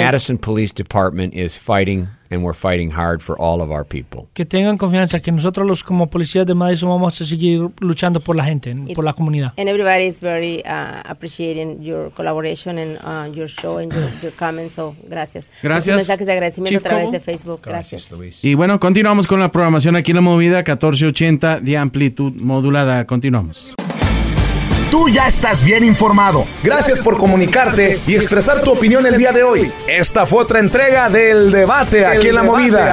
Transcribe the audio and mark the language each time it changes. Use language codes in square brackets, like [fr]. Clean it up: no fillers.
[en] Madison Police Department is fighting, and we're fighting hard for all of our people. [es] Que tengan confianza que nosotros los como policías de Madison vamos a seguir luchando por la gente, por la comunidad. [en] And everybody is very appreciating your collaboration and your show and your comments. [es] So, gracias. Gracias. Los mensajes de agradecimiento Chief a través Cobo. De Facebook. Gracias. Gracias, Luis. Y bueno, continuamos con la programación aquí en La Movida 1480 de amplitud modulada. Continuamos. Tú ya estás bien informado. Gracias por comunicarte y expresar tu opinión el día de hoy. Esta fue otra entrega del debate aquí en La Movida.